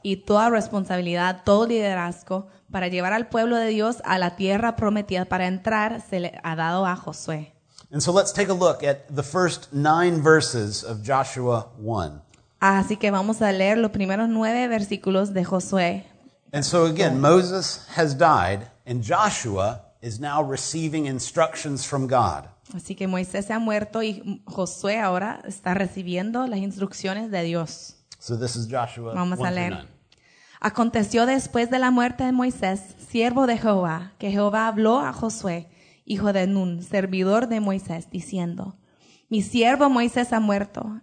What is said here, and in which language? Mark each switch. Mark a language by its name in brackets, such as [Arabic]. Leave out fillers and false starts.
[Spanish] Y toda responsabilidad, todo liderazgo para llevar al pueblo de Dios a la tierra prometida para entrar se le ha dado a Josué. [English] And so let's take a look at the first 9 verses of Joshua 1. [Spanish] Así que vamos a leer los primeros 9 versículos de Josué. [English] And so again, Moses has died and Joshua is now receiving instructions from God. [Spanish] Así que Moisés se ha muerto y Josué ahora está recibiendo las instrucciones de Dios. [English] So this is Joshua 1:9. [Spanish] Vamos a leer. Aconteció después de la muerte de Moisés, siervo de Jehová, que Jehová habló a Josué, hijo de Nun, servidor de Moisés, diciendo, mi siervo Moisés ha muerto.